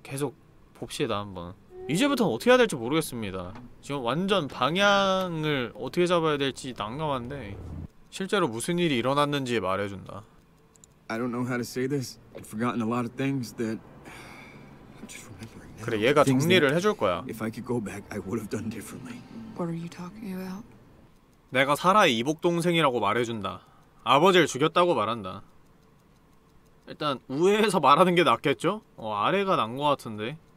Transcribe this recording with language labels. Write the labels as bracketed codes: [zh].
[ko] 계속 봅시다, 한번. 이제부터는 어떻게 해야 될지 모르겠습니다. 지금 완전 방향을 어떻게 잡아야 될지 난감한데 실제로 무슨 일이 일어났는지 말해준다. [en] I don't know how to say this. I've forgotten a lot of things that... I'm just remembering now. [ko] 그래, 얘가 정리를 해줄 거야. [en] If I could go back, I would have done differently. What are you talking about? [ko] 내가 사라의 이복 동생이라고 말해준다. 아버지를 죽였다고 말한다. 일단 우회해서 말하는 게 낫겠죠? 아래가 난 거 같은데.